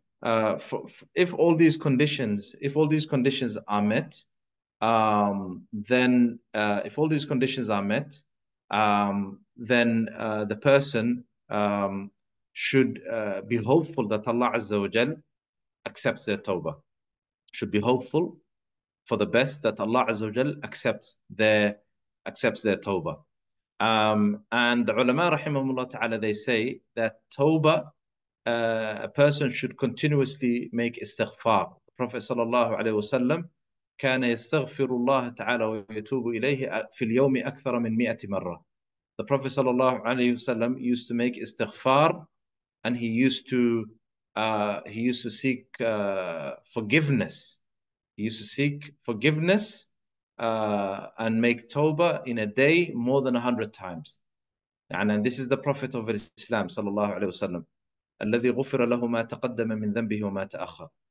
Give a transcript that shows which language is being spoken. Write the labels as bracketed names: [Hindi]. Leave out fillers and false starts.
[English] If all these conditions, if all these conditions are met, the person should be hopeful that Allah Azza wa Jal accepts their tawbah. Should be hopeful for the best that Allah Azza wa Jal accepts their tawbah. And the ulama rahimahumullah ta'ala, they say that tawbah, a person should continuously make istighfar. The Prophet sallallahu alaihi wasallam [Arabic] كان يستغفر الله تعالى ويتوب إليه في اليوم أكثر من 100 مرة. [English] The Prophet sallallahu alaihi wasallam used to make istighfar, and he used to seek forgiveness. He used to seek forgiveness and make tawbah in a day more than 100 times. And this is the Prophet of Islam sallallahu alaihi wasallam. [Arabic] الذي غفر له ما تقدم من ذنبه وما تأخر.